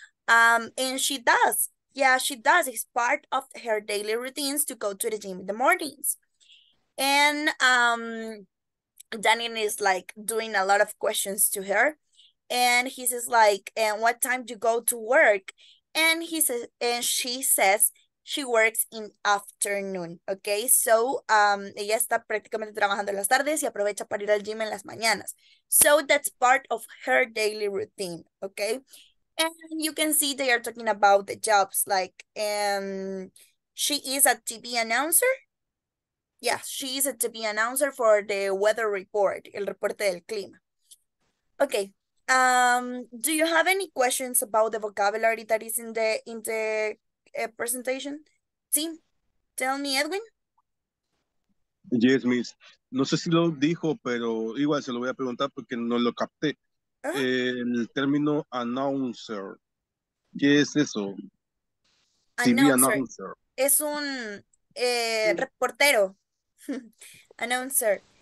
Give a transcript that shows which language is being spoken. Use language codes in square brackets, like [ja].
[en] And she does. Yeah, she does. It's part of her daily routines to go to the gym in the mornings. And Daniel is like doing a lot of questions to her. And he says like, and what time do you go to work? And he says, and she says she works in afternoon. [es] Okay, so ella está prácticamente trabajando en las tardes y aprovecha para ir al gym en las mañanas. [en] So that's part of her daily routine. Okay. And you can see they are talking about the jobs, like, she is a TV announcer. Yes, she is a TV announcer for the weather report, [es] el reporte del clima. [en] Okay, do you have any questions about the vocabulary that is in the presentation? Sí, tell me, Edwin. Yes, miss. [es] No sé si lo dijo, pero igual se lo voy a preguntar porque no lo capté. Uh-huh. El término announcer, ¿qué es eso? [en] Announcer. TV announcer. [es] Es un reportero. [en] Announcer.